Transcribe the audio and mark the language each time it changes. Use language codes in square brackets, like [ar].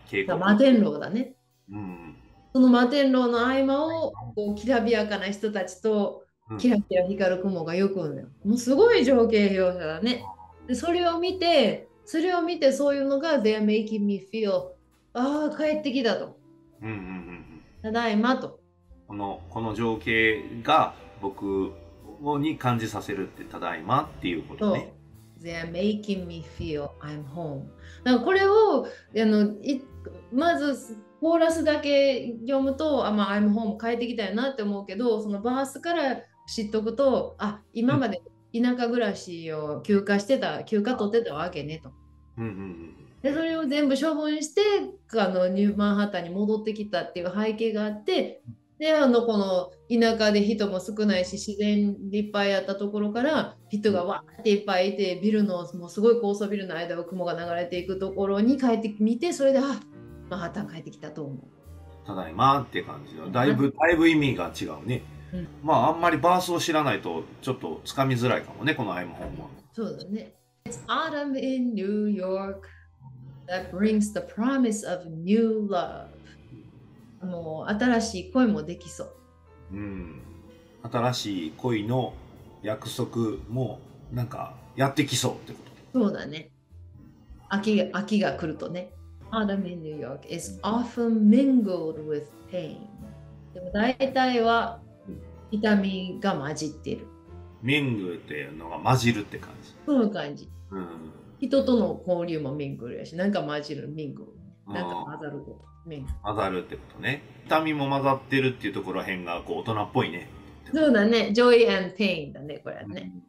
[ja] 渓谷、摩天楼だね、その摩天楼の合間をこうきらびやかな人たちとキラキラ光る雲がよく、もうすごい情景描写だね。でそれを見てそういうのが [en] They're making me feel、 [ja] ああ帰ってきたと、ただいまと、この情景が僕に感じさせるって、ただいまっていうことね。 [en] They are making me feel I'm home。 [ja] だからこれをまずコーラスだけ読むと、まあ、 [en] I'm home [ja] 帰ってきたよなって思うけど、そのバースから知っとくと、あ、今まで田舎暮らしを休暇取ってたわけねと、でそれを全部処分してニューマンハッタンに戻ってきたっていう背景があって、でこの田舎で人も少ないし自然いっぱいあったところから人がわーっていっぱいいて、ビルのもうすごい高層ビルの間を雲が流れていくところに帰ってみて、それであマンハッタン帰ってきたと思う、ただいまって感じの、だいぶ意味が違うね、まああんまりバースを知らないとちょっとつかみづらいかもね、このアイムホームは。そうだね。 [en] It's autumn in New York that brings the promise of new love、 [ja] もう新しい恋もできそう、新しい恋の約束もなんかやってきそうってこと。そうだね、秋が来るとね。 [en] Autumn in New York is often mingled with pain、 [ja] でも大体は痛みが混じってる。 Mingle っていうのが混じるって感じ。そういう感じ、人との交流も Mingle やし、なんか混じる、 Mingle、 なんか混ざること、混ざるってことね。痛みも混ざってるっていうところへんがこう大人っぽいね。そうだね、 [en] Joy and Pain [ja] だねこれはね、